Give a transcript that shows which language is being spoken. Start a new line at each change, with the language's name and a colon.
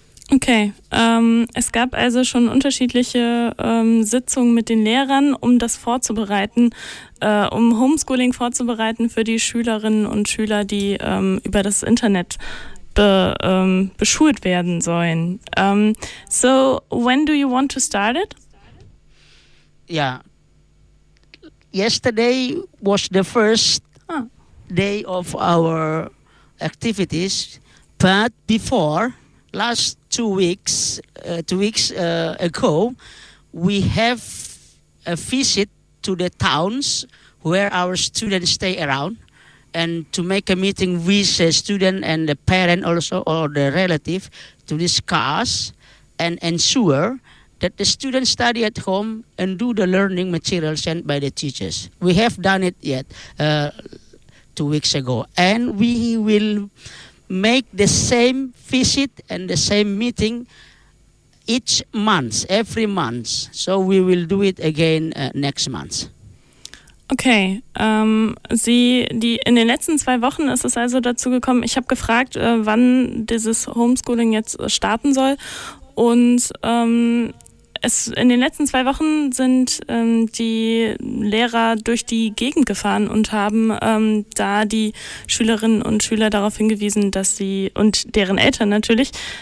German: Okay, es gab also schon unterschiedliche Sitzungen mit den Lehrern, um das vorzubereiten, um Homeschooling vorzubereiten für die Schülerinnen und Schüler, die über das Internet beschult werden sollen.
English: So, when do you want to start it? Yeah, yesterday was the first day of our activities, but before, last 2 weeks, 2 weeks ago, we have a visit to the towns where our students stay around and to make a meeting with a student and the parent also or the relative to discuss and ensure that the students study at home and do the learning material sent by the teachers. We have done it yet 2 weeks ago, and we will make the same visit and the same meeting each month, every month. So we will do it again next month.
German: Okay, in den letzten 2 Wochen ist es also dazu gekommen, ich habe gefragt, wann dieses Homeschooling jetzt starten soll. Und in den letzten 2 Wochen sind die Lehrer durch die Gegend gefahren und haben da die Schülerinnen und Schüler darauf hingewiesen, dass sie und deren Eltern natürlich,